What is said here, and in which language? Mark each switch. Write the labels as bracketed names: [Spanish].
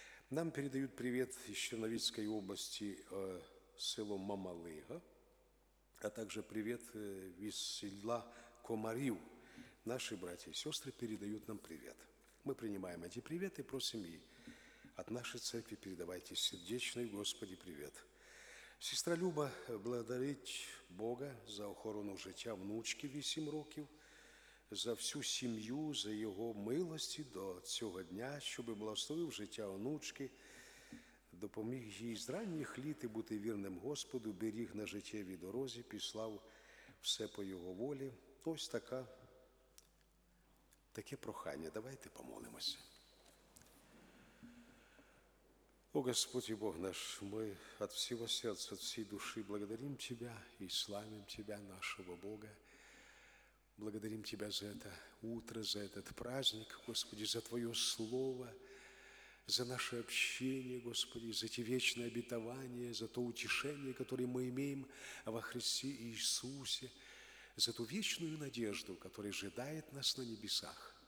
[Russian] Нам передают привет из Черновицкой области, село Мамалыга, а также привет из села Комарив. Наши братья и сестры передают нам привет. Мы принимаем эти приветы и просим и от нашей церкви передавайте сердечный Господи привет. [Ukrainian] Сестра Люба, благодарить Бога за охорону життя внучки 8 років, за всю сім'ю, за його милості до цього дня, щоб благословив життя онучки, допоміг їй з ранніх літ і бути вірним Господу, беріг на життєвій дорозі, післав все по його волі. Ось таке прохання. Давайте помолимося. О Господь і Бог наш, ми від всього серця, від всієї душі [Russian] благодарим Тебя [Ukrainian] і [Russian] славим Тебя, [Ukrainian] нашого Бога. [Russian] Благодарим Тебя за это утро, за этот праздник, Господи, за Твое Слово, за наше общение, Господи, за эти вечные обетования, за то утешение, которое мы имеем во Христе Иисусе, за ту вечную надежду, которая ожидает нас на небесах.